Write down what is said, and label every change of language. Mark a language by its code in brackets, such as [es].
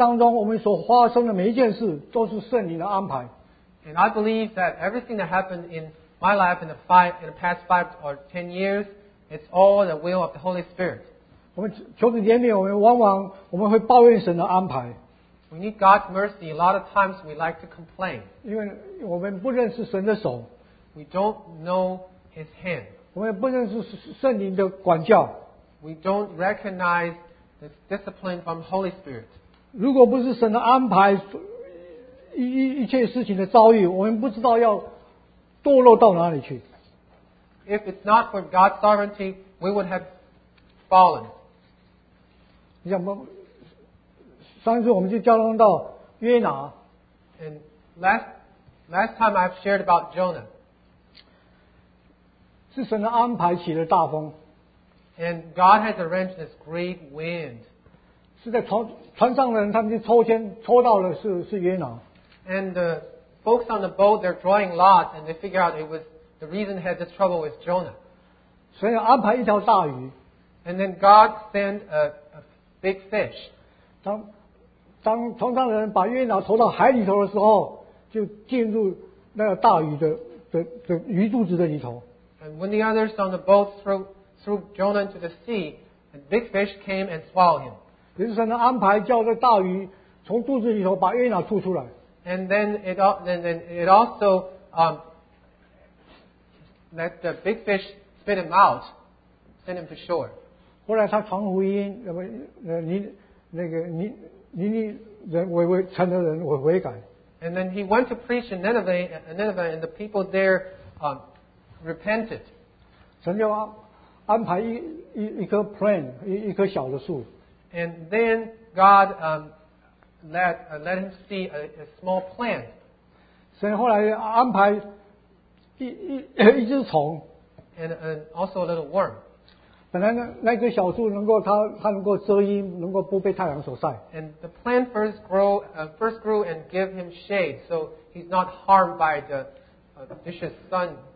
[zh] 相信在每一年或者我们过去的5年、10年当中，我们所发生的每一件事都是圣灵的安排。 [en] And I believe that everything that happened in my life in the past five or ten years, it's all the will of the Holy Spirit. [zh] 我们求主怜悯我们，往往我们会抱怨神的安排。 [en] We need God's mercy. A lot of times we like to complain. [zh] 因为我们不认识神的手。 [en] We don't know His hand. [zh] 我们也不认识圣灵的管教。 [en] We don't recognize the discipline from the Holy Spirit. [zh] 如果不是神的安排一切事情的遭遇，我们不知道要堕落到哪里去。 [en] If it's not for God's sovereignty, we would have fallen. [zh] 像我们上次我们就交通到约拿。 [en] And last time I've shared about Jonah. [zh] 是神的安排起了大风。 [en] And God has arranged this great wind. [zh] 是在船上的人他们就抽到了是约拿。 [en] And the folks on the boat, they're drawing lots and they figure out it was the reason they had this trouble with Jonah. [zh] 神要安排一条大鱼。 [en] And then God sent a big fish. [zh] 当船上的人把约拿投到海里头的时候，就进入那个大鱼的鱼肚子的里头。 [en] And when the others on the boat threw Jonah into the sea, a big fish came and swallowed him. [zh] 也是神的安排，叫这大鱼从肚子里头把约拿吐出来。 [en] And then it also let the big fish spit him out, send him to shore. [zh] 后来他传福音，那么尼尼城的人悔改。 [en] And then he went to preach in Nineveh, and the people there repented. [zh] 神就安排一棵小的树。 [en] And then God let him see a small plant. [zh] 神后来安排一只虫。 [en] And also a little worm. [zh] 本来那棵小树能够它能够遮阴，能够不被太阳所晒。 [en] And the plant first grew and give him shade, so he's not harmed by the vicious sun.